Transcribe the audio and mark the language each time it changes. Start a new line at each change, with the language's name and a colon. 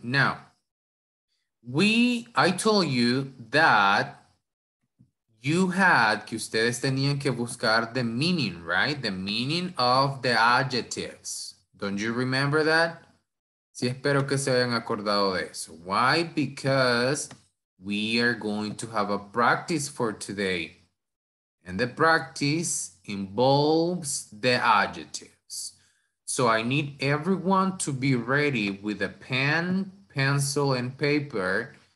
English: Now, I told you that you had
Spanish: que ustedes tenían que buscar
English: the meaning, right? The meaning of the adjectives. Don't you remember that?
Spanish: Sí, espero que se hayan acordado de eso.
English: Why? Because we are going to have a practice for today. And the practice involves the adjectives. So I need everyone to be ready with a pen, pencil, and paper.